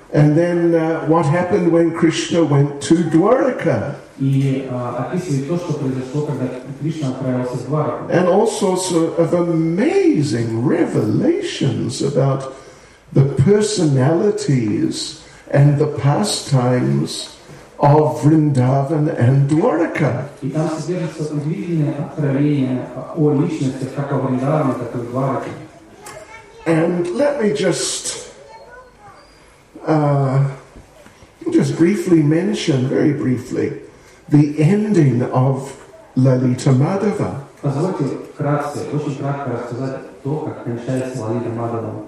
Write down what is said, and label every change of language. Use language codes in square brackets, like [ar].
[en] And then what happened when Krishna went to Dwarka. [ru] И описывает то, что произошло, когда Кришна отправился в Двараку. [en] And all sorts of amazing revelations about the personalities and the pastimes of Vrindavan and Dwarka. [ru] И там содержится удивительное откровение о личностях как о Вриндаване, так и в Двараке. [en] And let me just briefly mention, very briefly, the ending of Lalita Madhava. [ru] Позвольте вкратце, очень кратко рассказать то, как кончается Лалита Мадхава.